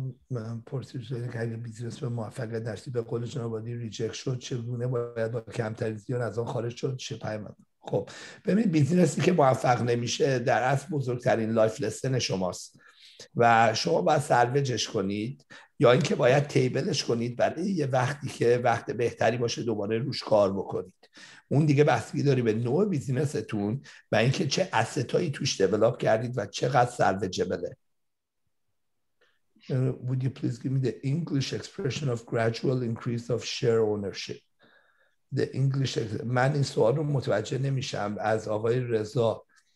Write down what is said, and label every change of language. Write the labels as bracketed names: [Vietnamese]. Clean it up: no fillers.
[Persian] من پرسیدم که اگر بیزنس به موفق درستی به قول جناب عالی ریجکت شد چگونه باید با کمترین زیان از آن خارج شد؟ چه پیامی؟ خب ببینید، بیزنسی که موفق نمیشه در اصل بزرگترین لایف لسن شماست و شما باید سروجش کنید یا اینکه باید تیبلش کنید برای یه وقتی که وقت بهتری باشه دوباره روش کار بکنید. اون دیگه بستگی داره به نوع بیزینستون و اینکه چه استایی توش دیولاپ کردید و چقدر سروجبله. [English] Would you please give me the English expression of gradual increase of share ownership? The English [Persian] من این سوال رو متوجه نمیشم از آقای رضا.